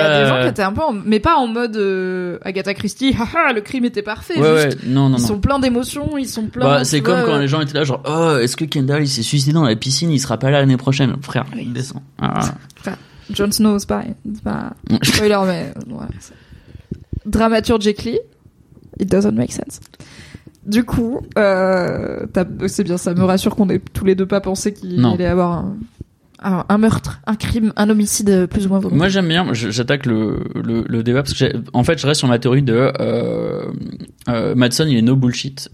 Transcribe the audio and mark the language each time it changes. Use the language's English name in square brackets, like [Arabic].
[French] Il y a des gens qui étaient un peu... Mais pas en mode Agatha Christie, haha, le crime était parfait. Ouais, juste, ouais. Non, non, ils sont pleins d'émotions, ils sont pleins... Bah, c'est comme quand les gens étaient là, genre, oh, est-ce que Kendall, il s'est suicidé dans la piscine, il sera pas là l'année prochaine? Frère, oui. Il descend. Ah. Jon Snow, c'est pas spoiler, mais voilà. [English] Dramaturge Lee, it doesn't make sense. [French] Du coup, c'est bien, ça me rassure qu'on ait tous les deux pas pensé qu'il allait avoir un meurtre, un crime, un homicide plus ou moins volontaire. Moi, j'aime bien, j'attaque le débat parce que en fait, je reste sur ma théorie de Madson, il est [English] no bullshit.